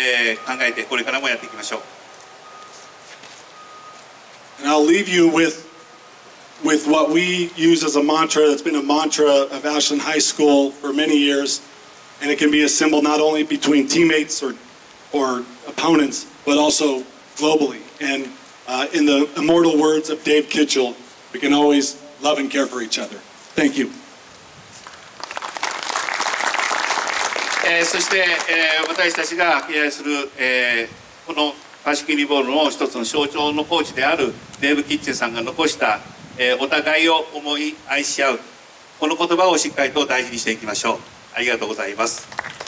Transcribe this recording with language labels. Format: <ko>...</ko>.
<ja>それ以上のものが詰め込まれています。そして私たちが今まで大切にしてきたカルチャー、文化、コンペティション、競争、そしてコモドル、仲間意識ですね、絆、そういったものと含めて、そして今日私たちがここで考えた平和というものをしっかりと考えて、これからもやっていきましょう。</ja> <en>And I'll leave you with what we use as a mantra that's been a mantra of Ashland High School for many years, and it can be a symbol not only between teammates or opponents, but also globally. And in the immortal words of Dave Kitchell, we can always love and care for each other. Thank you.</en> <ja>そして私たちがするこのパシフィックリボルの一つの象徴のコーチであるデーブ・キッチェさんが残した、お互いを思い愛し合う、この言葉をしっかりと大事にしていきましょう。ありがとうございます。</ja>